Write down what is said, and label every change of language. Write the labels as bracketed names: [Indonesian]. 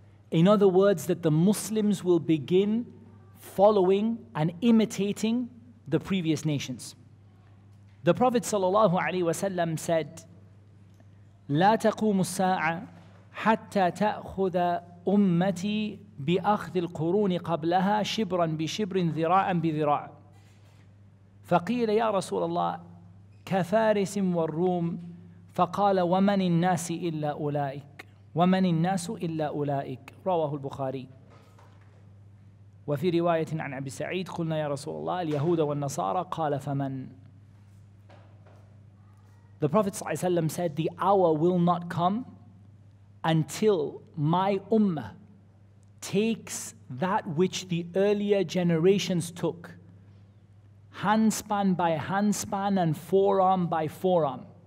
[English] In other words, that the Muslims will begin following and imitating the previous nations. The Prophet sallallahu alaihi wasallam said, [Arabic] "La taqumu as-sa'a hatta ta'khudha ummati بأخذ القرون قبلها شبرا بشبر ذراعا بذراع." فقيل يا رسول الله كفارس والروم فقال ومن الناس إلا أولئك ومن الناس إلا أولئك رواه البخاري. وفي رواية عن أبي سعيد قلنا يا رسول الله اليهود والنصارى قال فمن. [English] The Prophet [Arabic] صلى الله عليه وسلم [English] said, the hour will not come until my ummah takes that which the earlier generations took, handspan by handspan and forearm by forearm.